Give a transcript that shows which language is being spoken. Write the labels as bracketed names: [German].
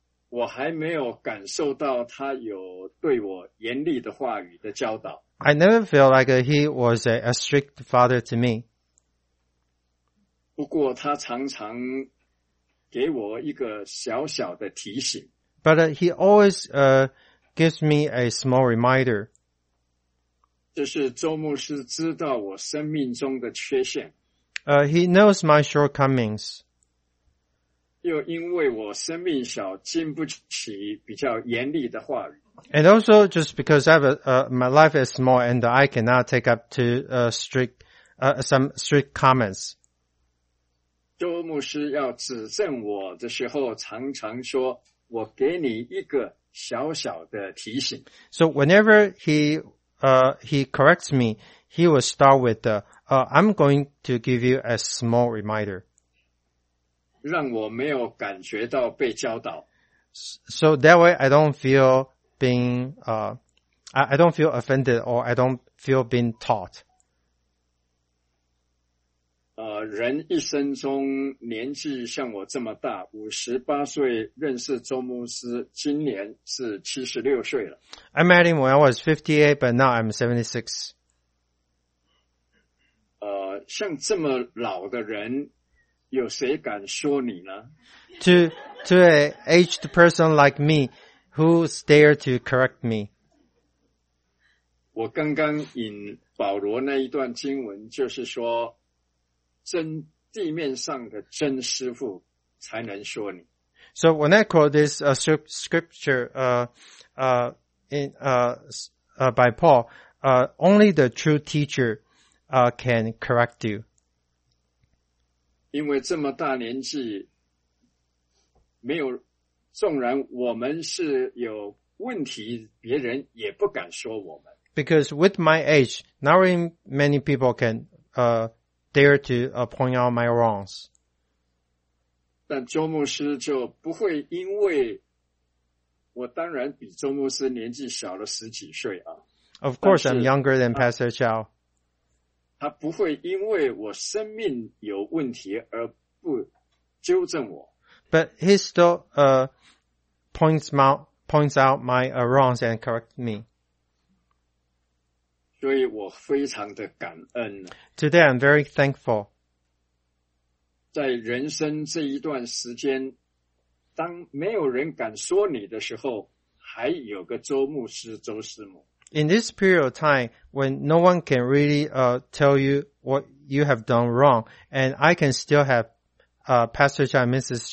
[Chinese] 我还没有感受到他有对我严厉的话语的教导。 [English] I never felt like he was a strict father to me. [Chinese] 不过他常常给我一个小小的提醒。 [English] But he always gives me a small reminder. [Chinese] 就是周牧师知道我生命中的缺陷。 [English] He knows my shortcomings. [Chinese] 又因为我生命小，经不起比较严厉的话语。 [English] And also just because I have my life is small and I cannot take up to some strict comments. [Chinese] 周牧师要指正我的时候，常常说：“我给你一个小小的提醒。” [English] So whenever he corrects me, he will start with I'm going to give you a small reminder. [Chinese] 让我没有感觉到被教导。 [English] So that way, I don't feel being I don't feel offended or I don't feel being taught. [Chinese] 人一生中年纪像我这么大，58岁认识周牧师，今年是76岁了。 [English] I met him when I was 58, but now I'm 76. [Chinese] 像这么老的人，有谁敢说你呢 [English] ？To an aged person like me, who's there to correct me? [Chinese] 我刚刚引保罗那一段经文，就是说。真地面上的真师父才能说你。 [English] So when I quote this scripture, by Paul, only the true teacher, can correct you. [Chinese] 因为这么大年纪，没有，纵然我们是有问题，别人也不敢说我们。 [English] Because with my age, not very many people can, dare to point out my wrongs. [Chinese] 但周牧师就不会因为我当然比周牧师年纪小了十几岁啊。 [English] Of course, I'm younger than Pastor Chao. [Chinese] 他不会因为我生命有问题而不纠正我。 [English] But he still points out my wrongs and correct me. [Chinese] 所以我非常的感恩。 [English] Today I'm very thankful. [Chinese] 在人生这一段时间，当没有人敢说你的时候，还有个周牧师、周师母。 [English] in this period of time when no one can really tell you what you have done wrong, and I can still have Pastor Chow and Mrs.